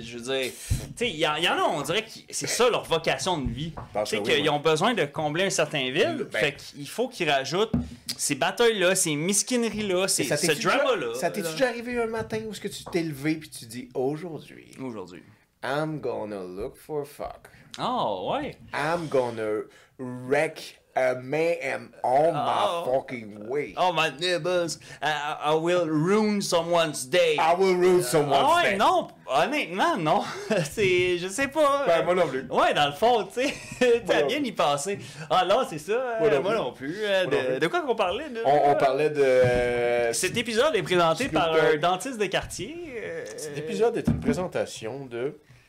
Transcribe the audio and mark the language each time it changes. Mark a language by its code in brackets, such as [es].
[fr] Je veux dire, tu sais, il y en a, on dirait que c'est ça leur vocation de vie. Tu sais, qu'ils ont besoin de combler un certain vide. Ben, fait qu'il faut qu'ils rajoutent ces batailles-là, ces misquineries-là, ce drama-là. Ça t'est-tu déjà arrivé un matin où est-ce que tu t'es levé et tu dis aujourd'hui? Aujourd'hui. [en] I'm gonna look for fuck. [fr] Oh, ouais. [en] I'm gonna wreck a man on my fucking way. Oh, my neighbors. I will ruin someone's day. I will ruin someone's day. [fr] Ouais, non. Honnêtement, non. C'est... Je sais pas. Ben, moi non plus. Ouais, dans le fond, tu sais. T'as bien y passé. Ah, là, c'est ça. Moi non plus. De quoi qu'on parlait, là? On parlait de... Cet épisode est présenté par un dentiste de quartier. Cet épisode est une présentation de...